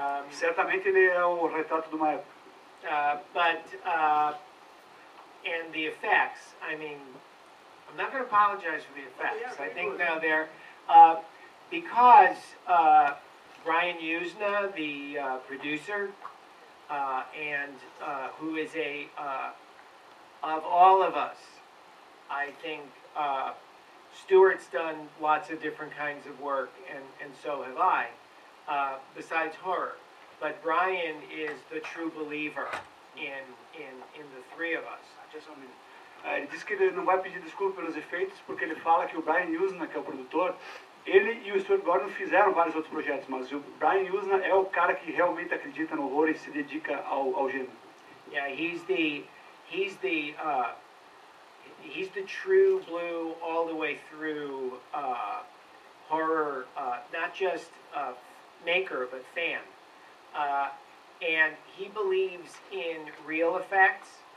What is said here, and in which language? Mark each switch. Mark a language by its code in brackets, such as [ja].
[pt] Certamente ele é o retrato de uma época. [en] And the effects, I mean, I'm not going to apologize for the effects. I think now they're, because Brian Usna, the producer, and who is a, of all of us, I think Stuart's done lots of different kinds of work, and so have I, besides horror. But Brian is the true believer in the three of us. Just a minute. [pt] Ele disse que ele não vai pedir desculpa pelos efeitos, porque ele fala que o Brian Usna, que é o produtor, ele e o Stuart Gordon fizeram vários outros projetos, mas o Brian Usna é o cara que realmente acredita no horror e se dedica ao gênero. [en] Yeah, he's the true blue all the way through horror, not just maker, but fan. And he believes in real effects.